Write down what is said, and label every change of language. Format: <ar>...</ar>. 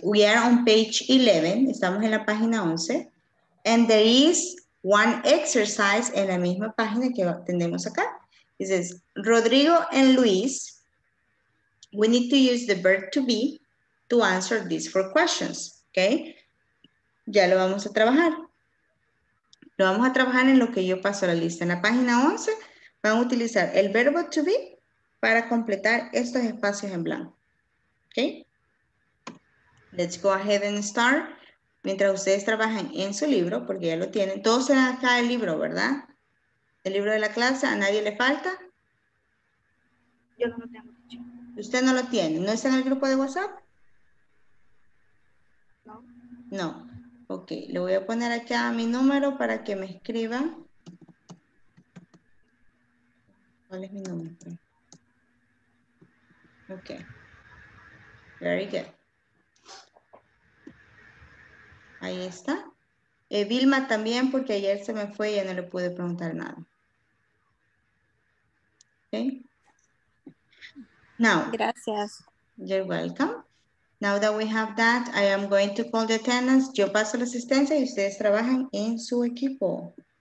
<en>We are on page 11,</en> <es>estamos en la página 11,</es> <en>and there is one exercise</en> <es>en la misma página que tenemos acá.</es> <en>It says, Rodrigo and Luis, we need to use the verb to be to answer these four questions, okay?</en> <es>Ya lo vamos a trabajar. Lo vamos a trabajar en lo que yo paso a la lista. En la página 11, van a utilizar el verbo to be para completar estos espacios en blanco, okay?</es> <en>Let's go ahead and start.</en> <es>Mientras ustedes trabajan en su libro, porque ya lo tienen, todos tienen acá el libro, ¿verdad? El libro de la clase, ¿a nadie le falta? Yo no lo tengo dicho. ¿Usted no lo tiene? ¿No está en el grupo de WhatsApp? No. No. Ok, le voy a poner acá mi número para que me escriban. ¿Cuál es mi número?</es> <en>Ok. Very good.</en> <es>Ahí está. Vilma también, porque ayer se me fue y ya no le pude preguntar nada.</es> <en>Ok. Now,</en> <es>gracias.</es> <en>You're welcome. Now that we have that, I am going to call the attendance.</en> <es>Yo paso la asistencia y ustedes trabajan en su equipo.</es>